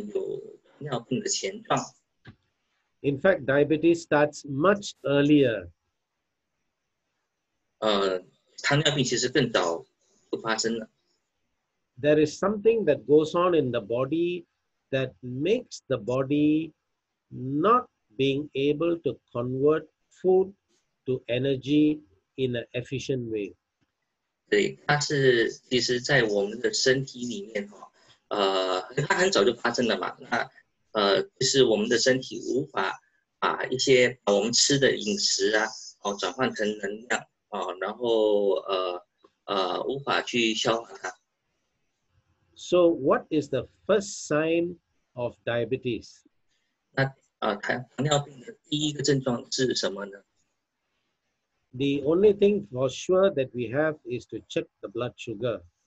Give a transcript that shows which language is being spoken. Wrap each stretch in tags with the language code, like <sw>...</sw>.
<zh>那是一个患有糖尿病的前兆。</zh> <en>In fact, diabetes starts much earlier.</en> <zh>糖尿病其实更早就发生了。</zh> <en>There is something that goes on in the body that makes the body not being able to convert food to energy in an efficient way.</en> <zh>对，它是其实在我们的身体里面，它很早就发生了嘛。那就是我们的身体无法把一些我们吃的饮食啊，转换成能量，然后无法去消化它。</zh> <en>So what is the first sign of diabetes?</en> <zh>那糖尿病的第一个症状是什么呢？</zh> <en>The only thing for sure that we have is to check the blood sugar.</en>